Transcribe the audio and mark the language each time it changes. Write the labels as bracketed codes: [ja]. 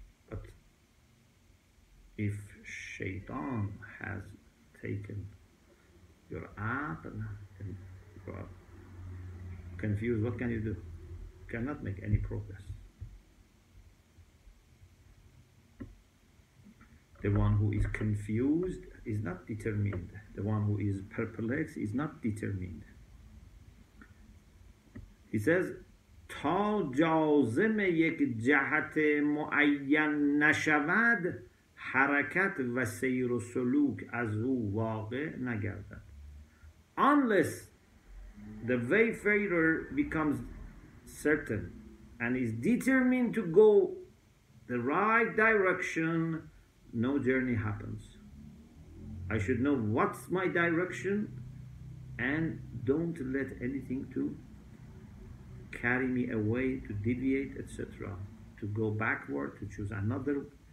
[en] But if Shaitan has taken you're up and you are confused, what can you do? Cannot make any progress. The one who is confused is not determined. The one who is perplexed is not determined. He says, [fa] تا جازم یک جهت معین نشود حرکت و سیر و سلوک از او واقع نگردد. [en] Unless the wayfarer becomes certain and is determined to go the right direction, no journey happens. I should know what's my direction and don't let anything to carry me away, to deviate, etc. To go backward, to choose another